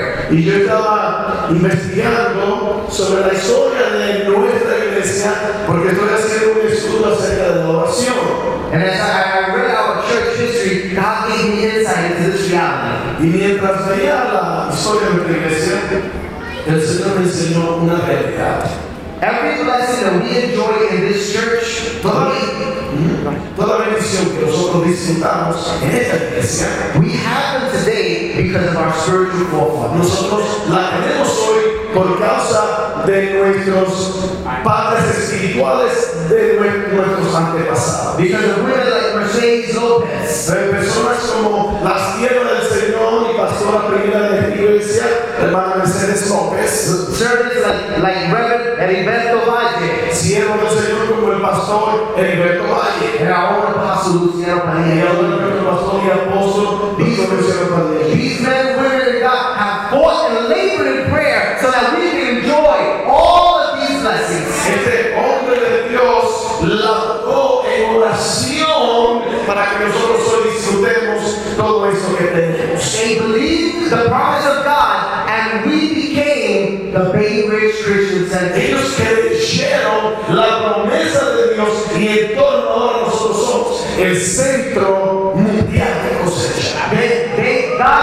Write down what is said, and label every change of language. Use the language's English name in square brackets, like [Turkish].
[Spanish] Y yo estaba investigando sobre la historia de nuestra iglesia porque estoy haciendo un estudio acerca de la oración. [English] And as I read our church history, God gave me insight into this reality. [Spanish] Y mientras veía la historia de nuestra iglesia, el Señor me enseñó una realidad. [English] Every blessing that we enjoy in this church, [Spanish] toda bendición que nosotros disfrutamos en esta iglesia, [English] we have them today because of our spiritual forefathers. [Spanish] Nosotros la tenemos hoy por causa de nuestros padres espirituales, de nuestros antepasados. [English] Because of women like Mercedes Lopez. [Spanish] De personas como la sierva del Señor y pastora primera de esta iglesia, hermana Mercedes López. [English] Servants like Reverend Heriberto Valle. [Spanish] Siervo del Señor como el pastor Heriberto Valle. Era ahora pastor Luciano Padilla. Y ahora nuestro pastor y apóstol Luciano Padilla. [English] These men and women of God have fought and labored in prayer so that we can enjoy all of these blessings. [Spanish] Este hombre de Dios labró en oración para que nosotros hoy disfrutemos todo eso que tenemos. [English] They believed the promise of God and we became the Bainbridge Christian Center. [Spanish] Ellos creyeron la promesa de Dios y en torno a nosotros somos el centro mundial de cosecha.